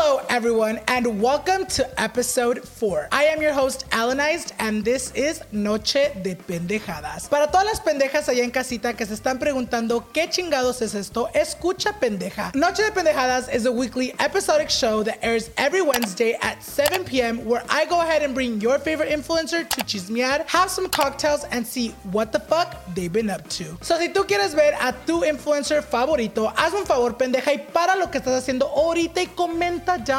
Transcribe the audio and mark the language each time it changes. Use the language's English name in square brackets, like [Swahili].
[English] Everyone, and welcome to episode 4. I am your host, Alanized, and this is Noche de Pendejadas. [Spanish] Para todas las pendejas allá en casita que se están preguntando qué chingados es esto, escucha pendeja. [English] Noche de Pendejadas is a weekly episodic show that airs every Wednesday at 7 p.m. where I go ahead and bring your favorite influencer to chismear, have some cocktails, and see what the fuck they've been up to. [Spanish] So si tú quieres ver a tu influencer favorito, hazme un favor, pendeja, y para lo que estás haciendo ahorita y comenta ya.